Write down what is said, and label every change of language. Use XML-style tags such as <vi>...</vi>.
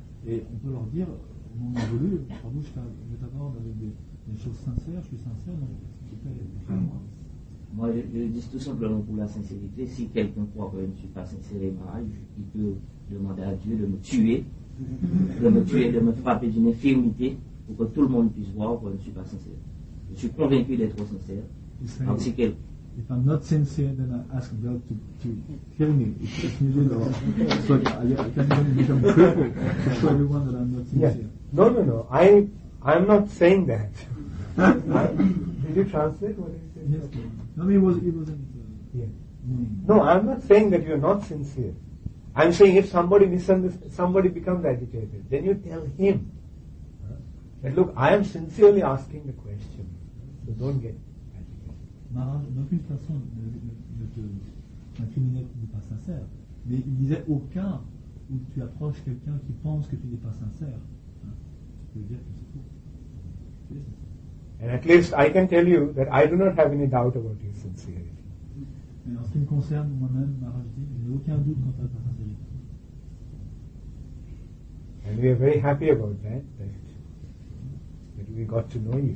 <fr>Et on peut leur dire, au moment voulu, par vous, je t'aborde avec des choses sincères, je suis sincère, donc s'il te plaît, fais-moi. Moi, je dis tout simplement pour la sincérité, si quelqu'un croit que je ne suis pas sincère et mariage, il peut demander à Dieu de me tuer, de me frapper d'une infirmité pour que tout le monde puisse voir que je ne suis pas sincère. Je suis convaincu d'être sincère. Donc, si quelqu'un.</fr> <en>If I'm not sincere, then I ask God to kill me. It's needed. So I can even become cripple to show everyone that I'm not sincere. Yeah. No. I'm not saying that. Did you translate what he said? Yes. No, it wasn't. No, I'm not saying that you're not sincere. I'm saying if somebody becomes agitated, then you tell him that, look, I am sincerely asking the question. So don't get.</en> <fr>Maharaj, d'aucune façon, n'incriminait qu'il n'est pas sincère. Mais il disait, au cas où tu approches quelqu'un qui pense que tu n'es pas sincère, hein, tu peux dire que c'est faux.</fr> <en>And at least I can tell you that I do not have any doubt about your sincerity.</en> <fr>Mais en ce qui me concerne, moi-même, Maharaj dit, je n'ai aucun doute quant à ta sincérité.</fr> <en>And we are very happy about that we got to know you.</en>